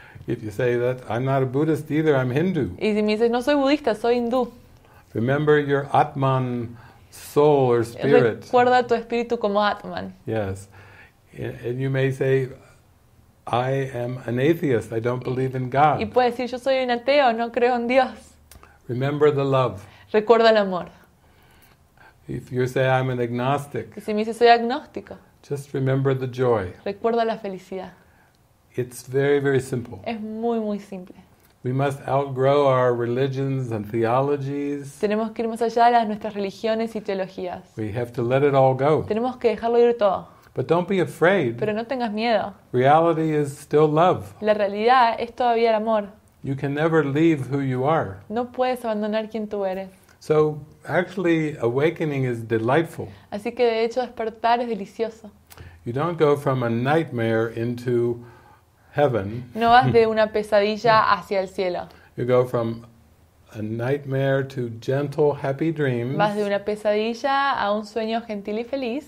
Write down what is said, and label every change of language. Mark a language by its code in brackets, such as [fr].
[en] If you say that, I'm not a Buddhist either, I'm Hindu. [es] Y si me dices, no soy budista, soy hindú. [en] Remember your Atman soul or spirit. [es] Recuerda tu espíritu como Atman. [en] Yes. And you may say, I am an atheist. I don't believe in God. [es] Y puedes decir, yo soy un ateo, no creo en Dios. [en] Remember the love. [es] Recuerda el amor. [en] If you say, I'm an agnostic. [es] Si me dices, soy agnóstico. [en] Just remember the joy. [es] Recuerda la felicidad. [en] It's very, very simple. [es] Es muy, muy simple. [en] We must outgrow our religions and theologies. [es] Tenemos que ir más allá de nuestras religiones y teologías. [en] We have to let it all go. [es] Tenemos que dejarlo ir todo. [en] But don't be afraid. [es] Pero no tengas miedo. [en] Reality is still love. [es] La realidad es todavía el amor. [en] You can never leave who you are. [es] No puedes abandonar quien tú eres. [en] So actually, awakening is delightful. [es] Así que de hecho despertar es delicioso. [en] You don't go from a nightmare into heaven. [es] No vas de una pesadilla hacia el cielo. [en] You go from a nightmare to gentle, happy dreams. [es] Vas de una pesadilla a un sueño gentil y feliz.